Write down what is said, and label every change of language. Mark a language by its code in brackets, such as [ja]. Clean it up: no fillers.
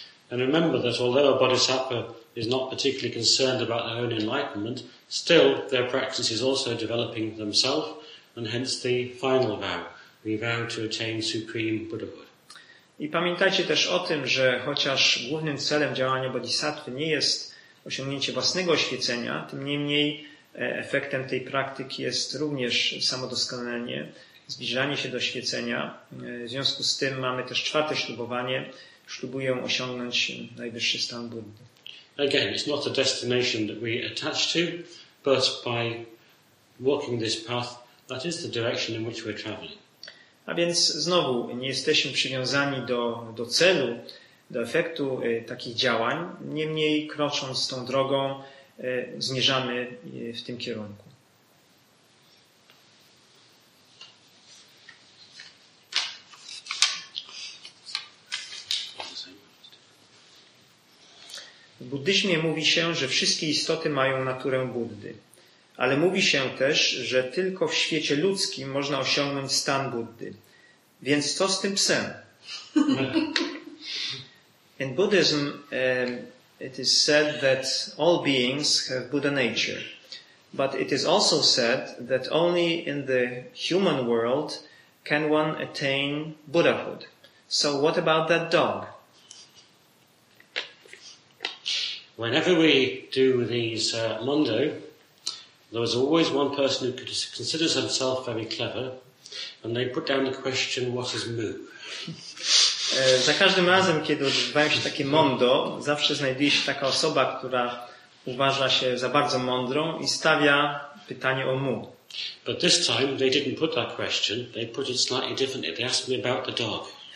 [en] And remember that although a bodhisattva is not particularly concerned about their own enlightenment, still their practice is also developing themselves, and hence the final vow. We vow to attain supreme Buddhahood. [pl] I pamiętajcie też o tym, że chociaż głównym celem działania bodhisattva nie jest osiągnięcie własnego oświecenia, tym niemniej efektem tej praktyki jest również samodoskonalenie, zbliżanie się do oświecenia. W związku z tym mamy też czwarte ślubowanie. Ślubuję osiągnąć najwyższy stan Buddy. [en] Again, it's not a destination that we attach to, but by walking this path, that is the direction in which we're traveling. [pl] A więc znowu, nie jesteśmy przywiązani do celu, do efektu takich działań. Niemniej, krocząc tą drogą, zmierzamy w tym kierunku. W buddyzmie mówi się, że wszystkie istoty mają naturę Buddy. Ale mówi się też, że tylko w świecie ludzkim można osiągnąć stan Buddy. Więc co z tym psem? [en] In Buddhism, it is said that all beings have Buddha nature. But it is also said that only in the human world can one attain Buddhahood. So what about that dog? Whenever we do these mondo, there was always one person who could consider himself very clever, and they put down the question, what is mu? [pl] Za każdym razem, kiedy odbywają się takie mondo, zawsze znajduje się taka osoba, która uważa się za bardzo mądrą i stawia pytanie o mu. [en] But this time they didn't put that question, they put it slightly differently. They asked me about the dog.